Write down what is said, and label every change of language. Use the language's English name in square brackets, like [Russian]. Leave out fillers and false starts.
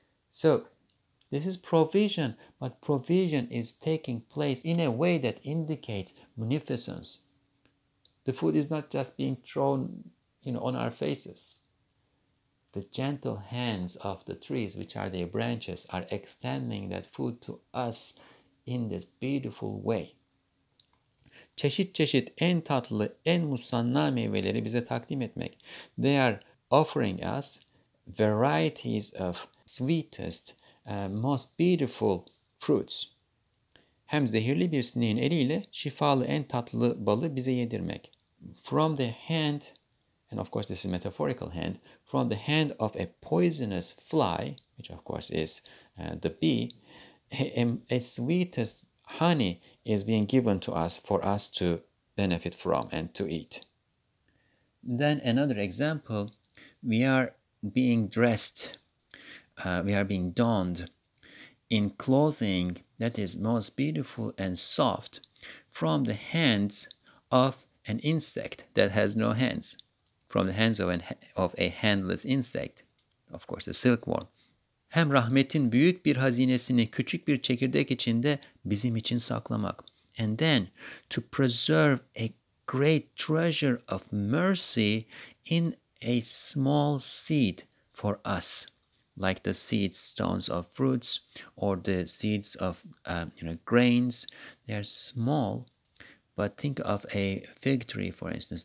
[English] So this is provision, but provision is taking place in a way that indicates munificence. The food is not just being thrown on our faces. The gentle hands of the trees, which are their branches, are extending that food to us in this beautiful way. [Turkish] Çeşit çeşit en tatlı, en musanna meyveleri bize takdim etmek. [English] They are offering us varieties of sweetest, most beautiful fruits. [Turkish] Hem zehirli bir sineğin eliyle şifalı en tatlı balı bize yedirmek. [English] From the hand, and of course this is a metaphorical hand, from the hand of a poisonous fly, which of course is the bee, a sweetest honey is being given to us for us to benefit from and to eat. Then another example, we are being dressed, we are being donned in clothing that is most beautiful and soft from the hands of an insect that has no hands, from the hands of a handless insect, of course a silkworm. [Turkish] Hem rahmetin büyük bir hazinesini küçük bir çekirdek içinde bizim için saklamak. [English] And then to preserve a great treasure of mercy in a small seed for us, like the seed stones of fruits or the seeds of grains. They are small, but think of a fig tree, for instance.